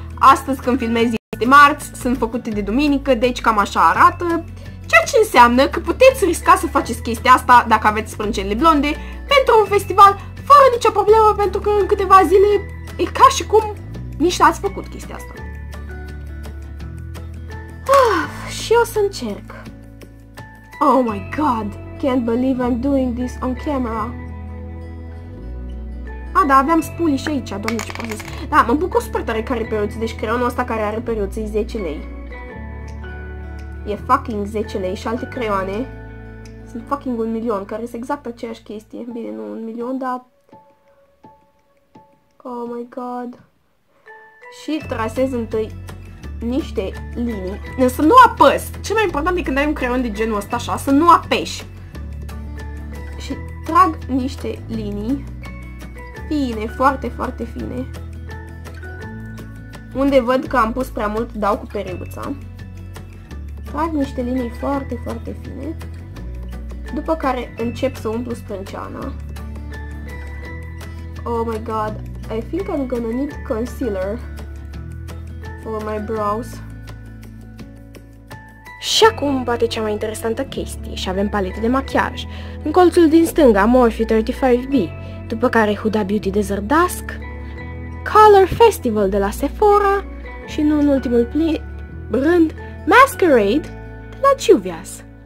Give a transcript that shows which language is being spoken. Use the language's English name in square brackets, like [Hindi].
[Romanian] Astăzi, când filmez, este marți, sunt făcute de duminică, deci cam așa arată. Ceea ce înseamnă că puteți risca să faceți chestia asta, dacă aveți sprâncenele blonde, pentru un festival, fără nicio problemă, pentru că în câteva zile e ca și cum nici n-ați făcut chestia asta. Ah, și eu o să încerc. [English] Oh my god, can't believe I'm doing this on camera. [Romanian] Ah, da, aveam spuli și aici, doamne, ce proces. Da, mă bucur super tare că are periuță, deci creionul ăsta care are periuță e 10 lei. E fucking 10 lei și alte creioane sunt fucking un milion, care sunt exact aceeași chestie. Bine, nu un milion, dar... [English] Oh my god. [Romanian] Și trasez întâi niște linii. Să nu apăs. Cel mai important e când ai un creion de genul ăsta așa, să nu apeși. Și trag niște linii fine, foarte, foarte fine. Unde văd că am pus prea mult, dau cu periuța. Fac niște linii foarte, foarte fine. După care încep să umplu sprânceana. [English] Oh my god, I think I'm gonna need concealer for my brows. [Romanian] Și acum poate cea mai interesantă chestie, și avem palete de machiaj. În colțul din stânga, Morphe 35B, după care Huda Beauty Desert Dusk, Color Festival de la Sephora și nu în ultimul rând, Masquerade de la Juvia's.